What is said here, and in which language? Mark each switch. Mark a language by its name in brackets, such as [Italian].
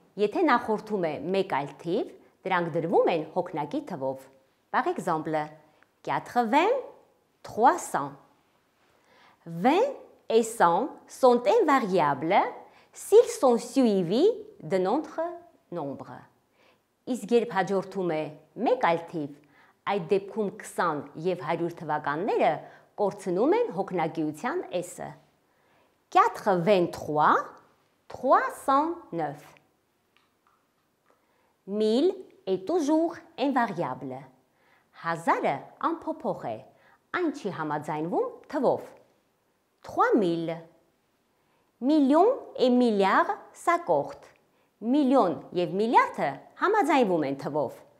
[Armenian] Եթե նախորդում է մեկ այլ թիվ, դրանք դրվում են հոգնակի թվով. [French] Par exemple, 80, 300. 20 et 100 sont invariables s'ils sont suivis de notre nombre. [Armenian] Իսկ երբ հաջորդում է մեկ այլ թիվ, այդ դեպքում 20 և 100 թվականները կորցնում են հոգնակիության էսը. [French] 83, 309. 1000 est toujours invariable. [Armenian] 1000 անփոփոխ է, այն չի համաձայնվում թվով. [French] 3000. Million et milliard s'accordent. [Armenian] Million եւ միլիարդը համաձայնվում են թվով.